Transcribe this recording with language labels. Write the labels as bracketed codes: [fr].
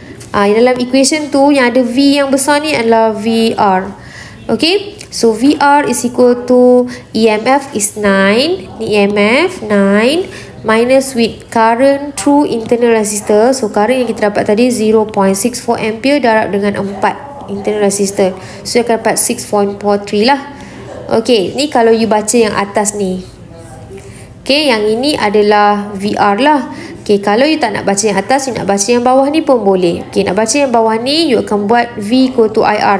[ms] Dalam equation tu yang ada V yang besar ni adalah VR. [en] Okay. So VR is equal to EMF is 9. [ms] Ni [en] EMF 9 minus with current through internal resistor. So current [ms] yang kita dapat tadi 0.64 ampere darab dengan 4 internal resistor. So akan dapat 6.43 lah. Okay, ni kalau you baca yang atas ni. Okay, yang ini adalah VR lah. Okay, kalau you tak nak baca yang atas, you nak baca yang bawah ni pun boleh. Okay, nak baca yang bawah ni, you akan buat [en] V equal to IR.